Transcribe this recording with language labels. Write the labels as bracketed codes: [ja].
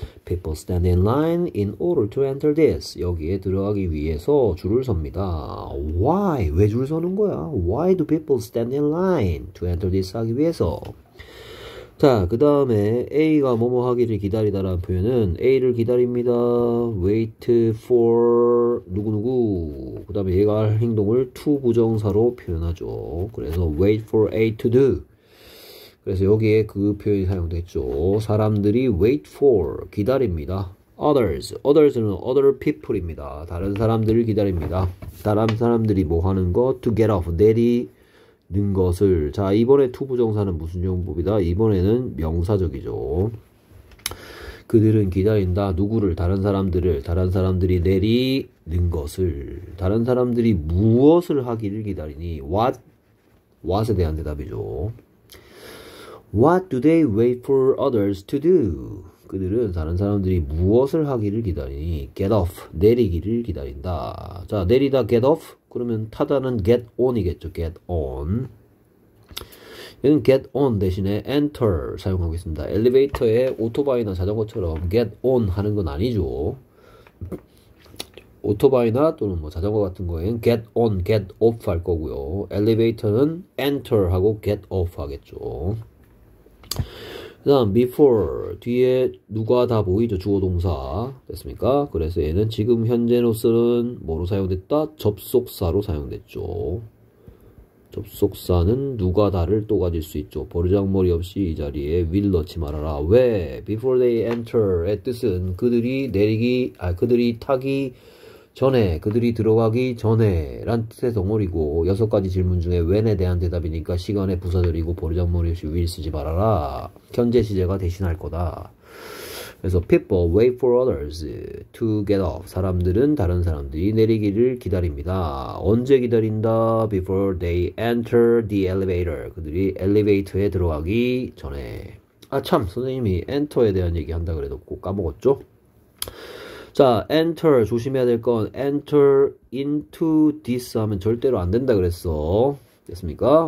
[en] people stand in line in order to enter this. [ko] 여기에 들어가기 위해서 줄을 섭니다. [en] Why? [ko] 왜줄 서는 거야? [en] Why do people stand in line to enter this [ko] 하기 위해서? 자, 그 다음에 A가 뭐뭐 하기를 기다리다라는 표현은 A를 기다립니다. [en] Wait for [ko] 누구누구. 그 다음에 얘가 할 행동을 to 부정사로 표현하죠. [en] 그래서 wait for A to do. [ko] 그래서 여기에 그 표현이 사용됐죠. [en] 사람들이 wait for, [ko] 기다립니다. [en] Others, others는 other people입니다. [ko] 다른 사람들을 기다립니다. 다른 사람들이 뭐 하는 거? [en] To get off, [ko] 내리는 것을. 자, 이번에 to 부정사는 무슨 용법이다? 이번에는 명사적이죠. 그들은 기다린다. 누구를? 다른 사람들을. 다른 사람들이 내리는 것을. 다른 사람들이 무엇을 하기를 기다리니? What에 대한 대답이죠. [en] What do they wait for others to do? [ko] 그들은 다른 사람들이 무엇을 하기를 기다리니? [en] Get off. [ko] 내리기를 기다린다. 자, 내리다 get off. [en] 그러면 타다는 get on이겠죠. Get on. 얘는 get on 대신에 enter [ko] 사용하고 있습니다. 엘리베이터에 오토바이나 자전거처럼 get on 하는 건 아니죠. 오토바이나 또는 뭐 자전거 같은 거에는 get on, get off 할 거고요. 엘리베이터는 enter 하고 get off 하겠죠. 그 다음 before 뒤에 누가 다 보이죠? 주어 동사 됐습니까? 그래서 얘는 지금 현재로서는 뭐로 사용됐다? 접속사로 사용됐죠. 접속사는 누가 다를 또 가질 수 있죠. 버르장머리 없이 이 자리에 will 넣지 말아라. 왜? [en] before they enter [ko] 의 뜻은 그들이 내리기 아 그들이 타기 전에 그들이 들어가기 전에 란 뜻의 덩어리고 여섯 가지 질문 중에 when에 대한 대답이니까 시간에 부사절이고 버르장머리 없이 will 쓰지 말아라. 현재 시제가 대신할 거다. [en] 그래서 people wait for others to get off. [ko] 사람들은 다른 사람들이 내리기를 기다립니다. 언제 기다린다? [en] before they enter the elevator. [ko] 그들이 엘리베이터에 들어가기 전에. 아참 선생님이 enter에 대한 얘기 한다 그래도 꼭 까먹었죠? 자, enter 조심해야 될건 [en] enter into this [ko] 하면 절대로 안 된다 그랬어. 됐습니까?